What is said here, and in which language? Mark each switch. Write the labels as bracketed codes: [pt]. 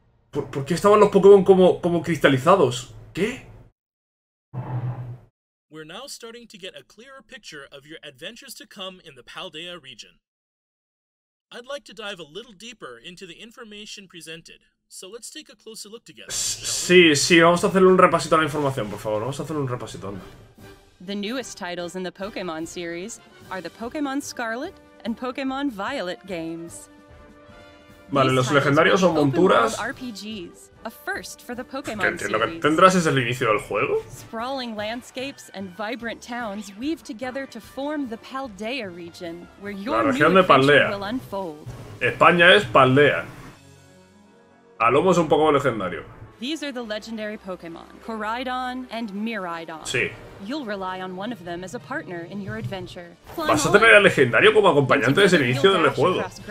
[es] ¿Por qué estaban los Pokémon como cristalizados? ¿Qué? [en] We're now starting to get a clearer picture of your adventures to come in the Paldea region. I'd like to dive a little deeper into the information presented. So let's take a closer look together. [es] Sí, sí, vamos a hacer un repasito a la información, por favor. Vamos a hacer un repasito. [en] The newest titles in the Pokémon series are the Pokémon Scarlet and Pokémon Violet games. [es] Vale, los legendarios son monturas. Que lo que tendrás es el inicio del juego. [en] Sprawling landscapes and vibrant towns weave together to form the Paldea region, where your new adventure will unfold. [es] España es Paldea. A lomos un Pokémon legendario. [en] These are the legendary Pokémon, Coraidon and Miraidon. [es] Sí. [en] You'll rely on one of them as a partner in your adventure. [es] Vas a tener al legendario como acompañante desde el inicio del juego.